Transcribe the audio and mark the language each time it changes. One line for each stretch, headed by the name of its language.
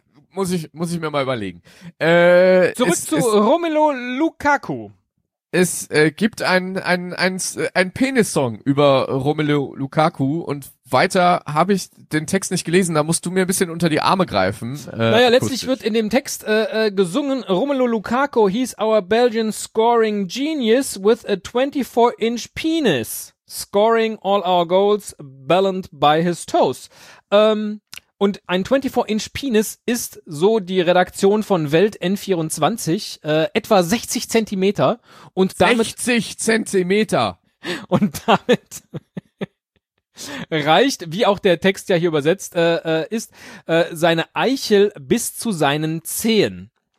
German: Muss ich mir mal überlegen. Zurück zu Romelu Lukaku. es gibt ein Penis-Song über Romelu Lukaku und weiter habe ich den Text nicht gelesen, da musst du mir ein bisschen unter die Arme greifen. Naja, letztlich wird in dem Text gesungen,
English: Romelu Lukaku, he's our Belgian scoring genius with a 24-inch penis, scoring all our goals balanced by his toes.
German: Und ein 24-inch Penis ist, so die Redaktion von Welt N24, etwa 60 Zentimeter und damit 60 Zentimeter! Und damit reicht, wie auch der Text ja hier übersetzt ist, seine Eichel bis zu seinen Zehen.